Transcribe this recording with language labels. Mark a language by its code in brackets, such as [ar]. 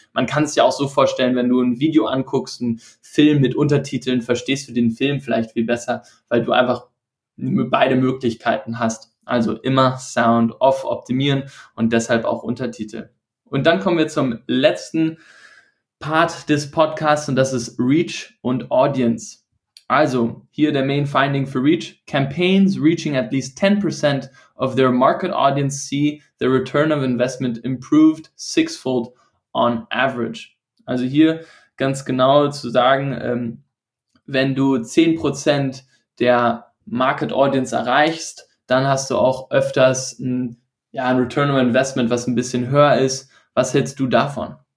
[de] Man kann es ja auch so vorstellen, wenn du ein Video anguckst, einen Film mit Untertiteln, verstehst du den Film vielleicht viel besser, weil du einfach beide Möglichkeiten hast. Also immer Sound off optimieren und deshalb auch Untertitel. Und dann kommen wir zum letzten Part des Podcasts und das ist Reach und Audience. Also hier der Main Finding für Reach. [en] Campaigns reaching at least 10% of their market audience see the return of investment improved sixfold on average. [de] Also hier ganz genau zu sagen, wenn du 10% der Market Audience erreichst, dann hast du auch öfters ein Return on Investment, was ein bisschen höher ist. Was hältst du davon?